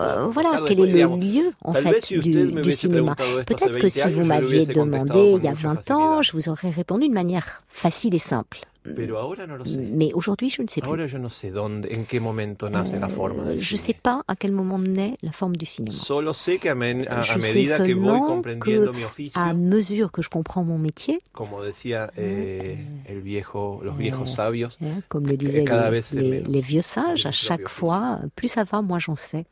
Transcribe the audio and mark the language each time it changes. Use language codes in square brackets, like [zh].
[fr] Voilà, quel est le lieu, en fait, du cinéma. Peut-être que si vous m'aviez demandé il y a 20 ans, je vous aurais répondu de manière facile et simple. Mais aujourd'hui, je ne sais plus. Je ne sais pas à quel moment naît la forme du cinéma. [es] Solo sé que a medida [fr] sais seulement que, [es] mi oficio, [fr] à mesure que je comprends mon métier, [es] como decía, el viejo, los viejos sabios, [fr] comme le disaient les vieux sages, à chaque fois, plus ça va, moins j'en sais.